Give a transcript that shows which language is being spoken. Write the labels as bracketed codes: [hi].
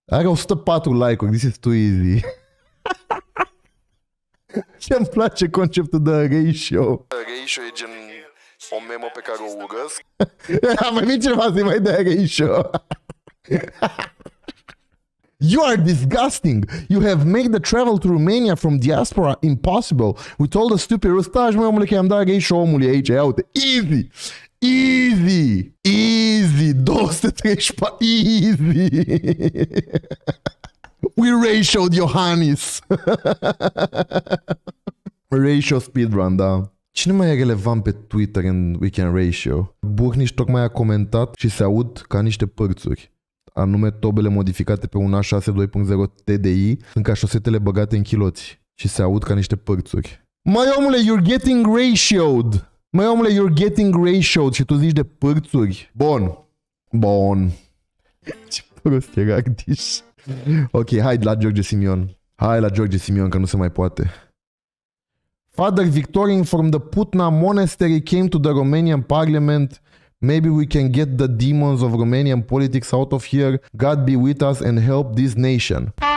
[ro] Are 104 like-uri, [en] this is too easy. [ro] Ce-mi place conceptul de ratio. Ratio e gen o memă pe care o urăsc. A mai venit cineva să-i mai dea ratio. [en] You are disgusting. You have made the travel to Romania from diaspora impossible. With all the stupid [ro] rustaj, măi omule, că i-am dat ratio omului aici, ia uite. [en] Easy. Easy, easy, 234, easy. We ratioed Iohannis. Ratio speedrun, da. [ro] Cine mai e relevant pe Twitter în weekend ratio? Bucniș tocmai a comentat și se aud ca niște părțuri. Anume, tobele modificate pe un A6 2.0 TDI sunt ca șosetele băgate în chiloți. Și se aud ca niște părțuri. Măi omule, [en] you're getting ratioed. [ro] Măi omule, [en] you're getting ratioed [ro] și tu zici de pârțuri. Bun. Bun. Ce prost era Gdiș. Ok, hai la George Simion. Hai la George Simion, că nu se mai poate. [en] Father Victorian from the Putna Monastery came to the Romanian Parliament Maybe we can get the demons of Romanian politics out of here. God be with us and help this nation.